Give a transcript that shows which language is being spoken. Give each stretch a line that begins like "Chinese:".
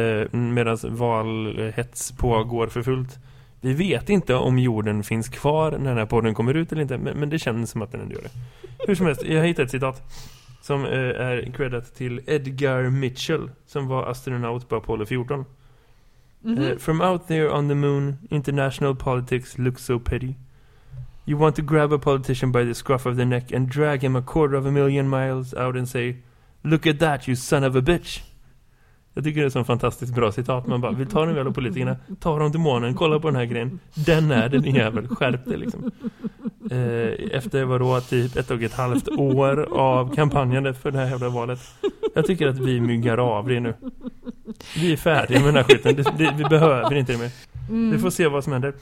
Swedish: Medan valhets pågår för fullt. Vi vet inte om jorden finns kvar när den här podden kommer ut eller inte, men det känns som att den ändå gör det. Hur som helst, jag hittade ett citat som är credit till Edgar Mitchell, som var astronaut på Apollo 14.
English: From out there on the moon, international politics looks so petty. You want to grab a politician by the scruff of the neck and drag him a quarter of a million miles out and say, look at that, you son of a bitch.
Swedish: Jag tycker det är så fantastiskt bra citat. Man bara, vi tar dem väl och politikerna, tar dem till månen, kolla på den här grejen. Den är den jävel, skärp det liksom. Efter vadå, typ 1,5 år av kampanjande för det här jävla valet. Jag tycker att vi myggar av det nu. Vi är färdiga med den här skiten. Vi behöver inte det mer. Vi får se vad som händer.